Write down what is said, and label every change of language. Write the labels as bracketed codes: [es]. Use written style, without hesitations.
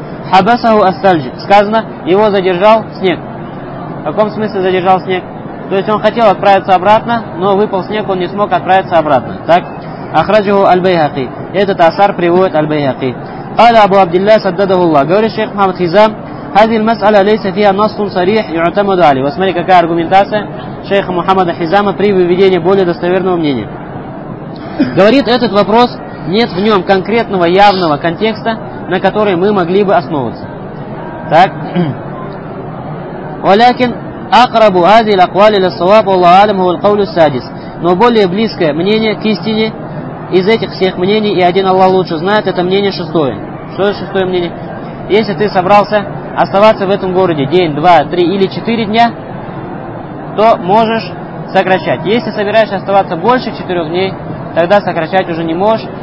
[ar] Хабасаху астальджи. [ru] Сказано, его задержал снег. В каком смысле задержал снег? То есть он хотел отправиться обратно, но выпал снег, он не смог отправиться обратно. Так? [ar] Ахраджаху аль-Байхаки. [ru] Этот асар приводит аль-Байхаки. [ar] Кала Абу Абдилля саддадаху Аллах. [ru] Говорит шейх [ar] Мухаммад Хизам, هذه المسألة ليس فيها نص صريح يعتمد عليه. [ru] Посмотри, какая аргументация шейха Мухаммада Хизама при выведении более достоверного мнения. Говорит, этот вопрос нет в нем конкретного явного контекста, на который мы могли бы основываться. Так. [ar] ولكن أقرب هذه الأقوال إلى الصواب والله أعلم هو القول السادس. [ru] Но более близкое мнение к истине из этих всех мнений и один Аллах лучше знает это мнение шестое. Что же шестое мнение? Если ты собрался оставаться в этом городе день, 2, 3 или 4 дня, то можешь сокращать. Если собираешься оставаться больше 4 дней, тогда сокращать уже не можешь.